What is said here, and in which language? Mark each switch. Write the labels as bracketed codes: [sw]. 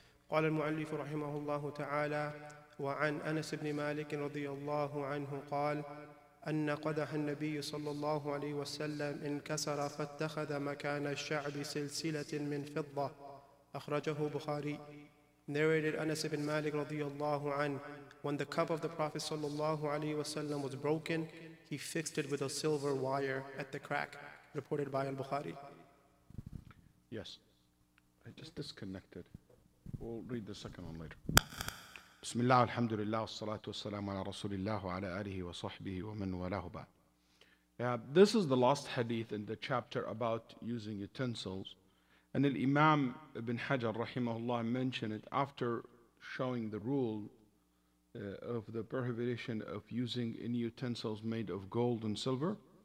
[ar] Qala al-muallifu rahimahullahu ta'ala wa an Anas ibn Malik radiyallahu anhu qala أن قدح النبي صلى الله عليه وسلم انكسر فاتخذ مكان الشعب سلسلة من فضة أخرجه بخاري. [en] Narrated Anas ibn Malik radiyallahu anhu, when the cup of the Prophet [ar] صلى الله عليه وسلم [en] was broken, he fixed it with a silver wire at the crack. Reported by al-Bukhari. Yes. I just disconnected. We'll read the second one later. [ar] بسم الله الحمد لله والصلاة والسلام على رسول الله وعلى آله وصحبه ومن والاه بعد. [en] This is the last hadith in the chapter about using utensils, and Imam Ibn Hajar رحمه الله mentioned it after showing the rule of the prohibition of using any utensils made of gold and silver.